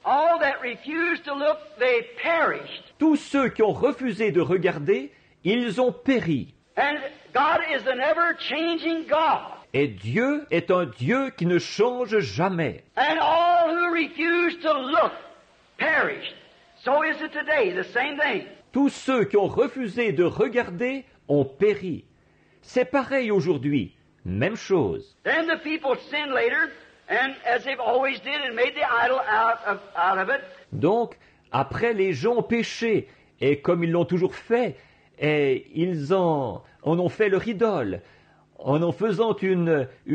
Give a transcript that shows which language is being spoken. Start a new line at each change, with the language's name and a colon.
English: all that refused to look, they perished.
French: Tous ceux qui ont refusé de regarder, ils ont péri.
English: And God is an ever-changing God.
French: Et Dieu est un Dieu qui ne change jamais.
English: And all who refused to look, perished. So is it today, the same thing.
French: Tous ceux qui ont refusé de regarder ont péri. C'est pareil aujourd'hui, même chose.
English: Then the people sinned later, and as they've always did, and made the idol out of it.
French: Donc, après, les gens ont péché, et comme ils l'ont toujours fait, et ils en ont fait leur idole, en faisant une